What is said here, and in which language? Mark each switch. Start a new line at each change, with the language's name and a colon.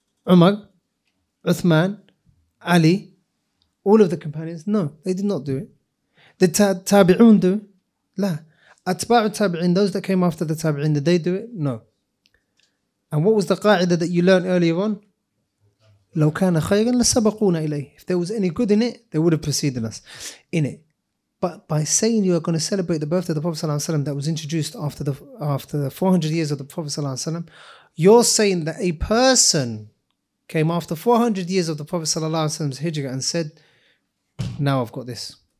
English: Umar, Uthman, Ali, all of the companions? No, they did not do it. Did Tabi'un do it? La. Atba'u Tabi'in, those that came after the Tabi'in, did they do it? No. And what was the qa'idah that you learned earlier on?
Arabic: لو كان خيرا لسبقونا إليه.
English: If there was any good in it, they would have preceded us in it. But by saying you are going to celebrate the birthday of the Prophet sallallahu alaihi wasallam that was introduced after the 400 years of the Prophet sallallahu alaihi wasallam, you're saying that a person came after 400 years of the Prophet sallallahu alaihi wasallam's hijrah and said, "Now I've got this."